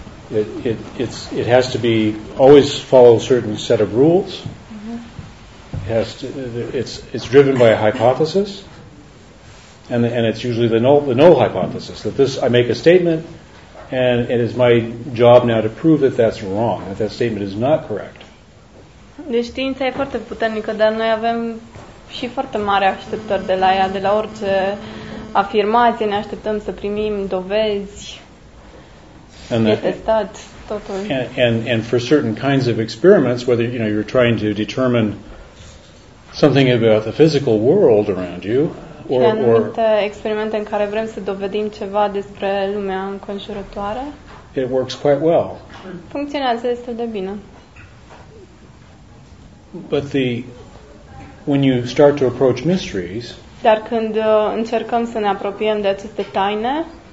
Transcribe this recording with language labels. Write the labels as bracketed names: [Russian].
[English] It has to be always follow a certain set of rules. It's driven by a hypothesis, and it's usually the null hypothesis, that this, I make a statement, and it is my job now to prove that that's wrong, that statement is not correct. [Romanian] Deci știința e foarte puternică, dar noi avem și foarte mare așteptări de la ea, de la orice afirmație, ne așteptăm să primim dovezi, testat totul. [English] And for certain kinds of experiments, whether you know you're trying to determine something about the physical world around you, or [Romanian] experimente în care vrem să dovedim ceva despre lumea înconjurătoare, [English] it works quite well. [Romanian] Funcționează destul de bine. [English] But when you start to approach mysteries, [Romanian] dar când încercăm să ne apropiem de aceste taine,